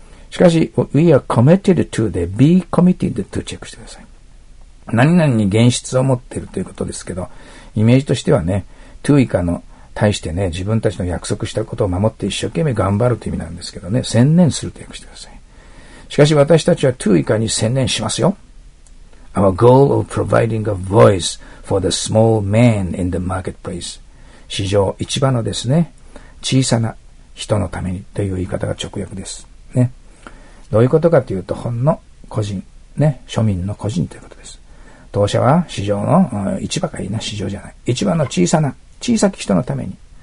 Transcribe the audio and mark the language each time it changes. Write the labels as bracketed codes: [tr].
[en] しかし we are committed to the be committed to [ja] チェックしてください。何々に現実を持っているということですけど、イメージとしてはね、to 以下の対してね、自分たちの約束したことを守って一生懸命頑張るという意味なんですけどね、専念すると訳してください。しかし私たちは to 以下に専念しますよ。 [en] Our goal of providing a voice for the small man in the marketplace. [ja] 市場一番のですね、小さな人のためにという言い方が直訳です。ね。どういうことかというと、ほんの個人、ね、庶民の個人ということです。当社は市場の、市場かいいな、市場じゃない。一番の小さな、小さき人のために。